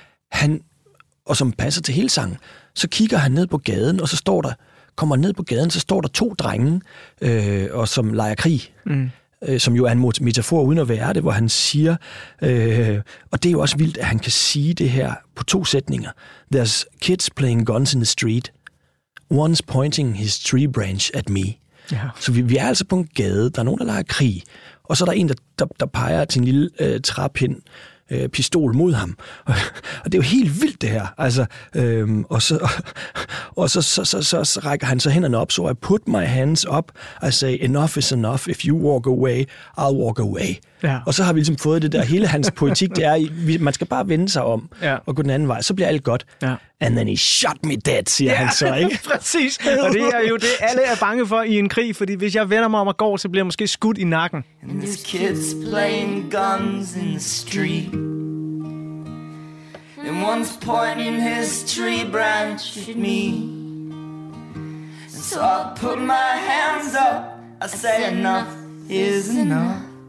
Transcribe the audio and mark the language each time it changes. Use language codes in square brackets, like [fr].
[da] Han, og som passer til hele sangen, så kigger han ned på gaden, og så står der, kommer ned på gaden, så står der to drenge, og som leger krig, som jo er en metafor uden at være det, hvor han siger, og det er jo også vildt, at han kan sige det her på to sætninger. [en] There's kids playing guns in the street. One's pointing his tree branch at me. Yeah. [da] Så vi er altså på en gade, der er nogen, der leger krig, og så er der en, der peger til en lille træpind pistol mod ham. Og det er jo helt vildt, det her. Altså, og så rækker han så hænderne op, så [en] I put my hands up, I say, enough is enough, if you walk away, I'll walk away. Yeah. [da] Og så har vi ligesom fået det der, hele hans poetik, det er, man skal bare vende sig om, yeah. og gå den anden vej, så bliver alt godt. [en] Yeah. And then he shot me dead, [da] siger han så, ikke? Præcis. Og det er jo det, alle er bange for i en krig, fordi hvis jeg vender mig om og går, så bliver jeg måske skudt i nakken. [en] And these kids playing guns in the street. And one's pointing his tree branch at me. And so I put my hands up. I say enough is enough.